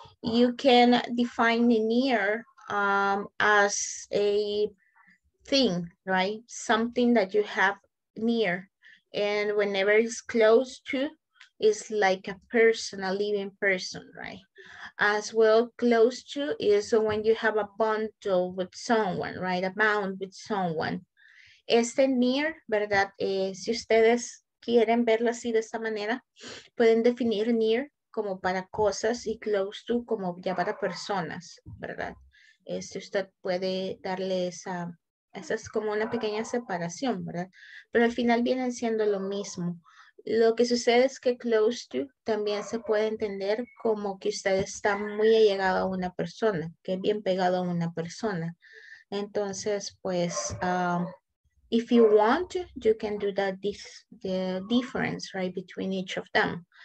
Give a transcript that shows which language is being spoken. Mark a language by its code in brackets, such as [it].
[en] You can define the near as a thing, right? Something that you have near, and whenever it's close to, is like a person, a living person, right? As well, close to is when you have a bundle with someone, right? A bound with someone. [es] Este near, ¿verdad? Si ustedes quieren verlo así de esta manera, pueden definir near como para cosas y close to como ya para personas, ¿verdad? Si usted puede darle esa. Esa es como una pequeña separación, ¿verdad? Pero al final vienen siendo lo mismo. Lo que sucede es que close to también se puede entender como que usted está muy allegado a una persona, que es bien pegado a una persona. Entonces, pues, [en] if you want to, you can do that the difference, right, between each of them.